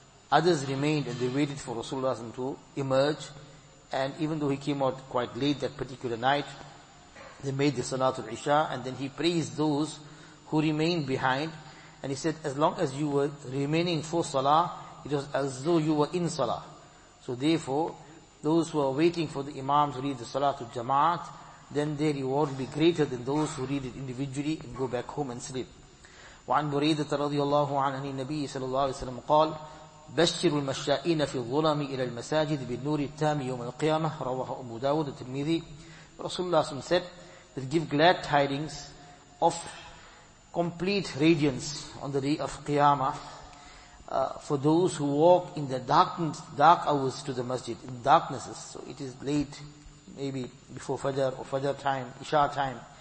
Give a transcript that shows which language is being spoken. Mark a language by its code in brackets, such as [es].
[en] Others remained and they waited for Rasulullah to emerge. And even though he came out quite late that particular night, they made the salatul isha and then he praised those who remained behind. And he said, as long as you were remaining for salah, it was as though you were in salah. So therefore, those who are waiting for the imam to read the salatul jama'at, then their reward will be greater than those who read it individually and go back home and sleep. [ar] وعن بريدة رضي الله عنه النبي صلى الله عليه وسلم قال بشر المشائين في الظلم إلى المساجد بالنور التام يوم القيامة رواه أبو داود الترمذي. رسول الله صلى الله عليه وسلم [en] said that give glad tidings of complete radiance on the day of Qiyamah for those who walk in the dark hours to the masjid, in darknesses. So it is late, maybe before Fajr or Fajr time, Isha time.